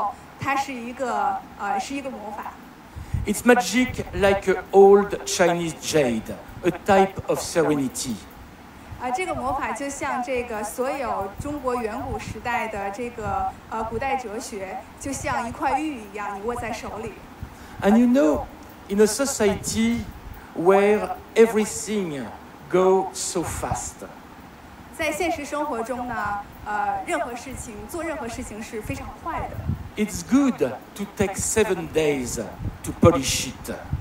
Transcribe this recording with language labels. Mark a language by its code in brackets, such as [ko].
[zh] 当你感觉到它这个手机握在手的时候，它是一个魔法。 [en] It's magic like old Chinese jade, a type of serenity. [zh] 这个魔法就像这个所有中国远古时代的这个古代哲学，就像一块玉一样，你握在手里。 [en] And you know, in a society where everything goes so fast, [zh] 在现实生活中呢，任何事情是非常快的。 [en] It's good to take 7 days to polish it.